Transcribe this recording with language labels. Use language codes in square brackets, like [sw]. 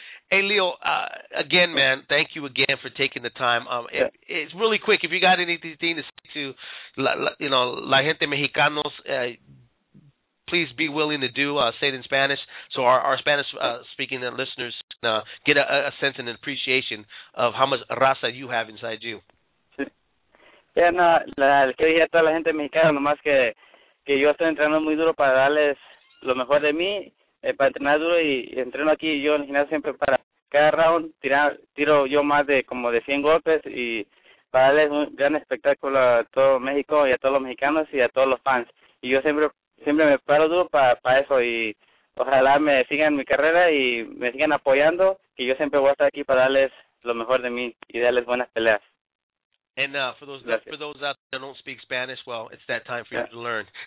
[en] Hey, Leo, again, man, thank you again for taking the time. It's really quick. If you got anything to say to, you know, [es] La Gente Mexicanos, [en] please be willing to do, say it in Spanish, so our Spanish-speaking listeners can get a sense and an appreciation of how much raza you have inside you. [es] Yeah, no, que dije a toda la gente mexicana, nomás que yo estoy entrenando muy duro para darles lo mejor de mí. Para entrenar duro y entreno aquí yo en el gimnasio siempre para cada round tiro yo más de como de 100 golpes y para darles un gran espectáculo a todo México y a todos los mexicanos y a todos los fans. Y yo siempre me paro duro para eso y ojalá me sigan mi carrera y me sigan apoyando, que yo siempre voy a estar aquí para darles lo mejor de mí y darles buenas peleas. [en] And for those out there that don't speak Spanish, well, it's that time for you to learn.